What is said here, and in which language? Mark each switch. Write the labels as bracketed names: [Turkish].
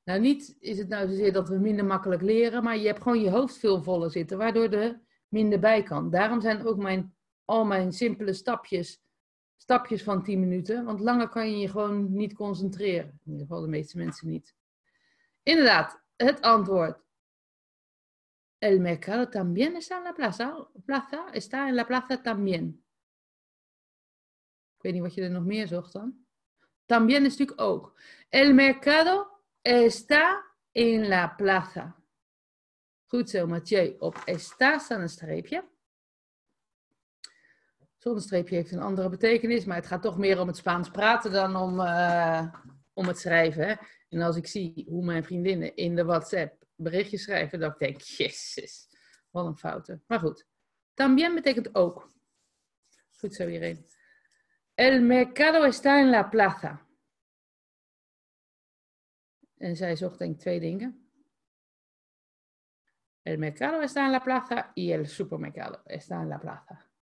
[Dutch] Nou, niet is het nou zozeer dat we minder makkelijk leren, maar je hebt gewoon je hoofd veel voller zitten, waardoor er minder bij kan. Daarom zijn ook al mijn simpele stapjes van 10 minuten. Want langer kan je je gewoon niet concentreren. In ieder geval de meeste mensen niet. Inderdaad, het antwoord. [Spanish] El mercado también está en la plaza. Plaza está en la plaza también. [Dutch] Ik weet niet wat je er nog meer zocht dan. También is natuurlijk ook. [Spanish] El mercado Está en la plaza. [Dutch] Goed zo, [Spanish] Mathieu. [Dutch] Op está staat een streepje. Zonder streepje heeft een andere betekenis, maar het gaat toch meer om het Spaans praten dan om het schrijven. Hè? En als ik zie hoe mijn vriendinnen in de WhatsApp berichtjes schrijven, dan denk ik, jezus, wat een fouten. Maar goed, también betekent ook. Goed zo, iedereen. [Spanish] El mercado está en la plaza. [Dutch] En zij zocht denk ik twee dingen. [Spanish] El mercado está en la plaza y el supermercado está en la plaza.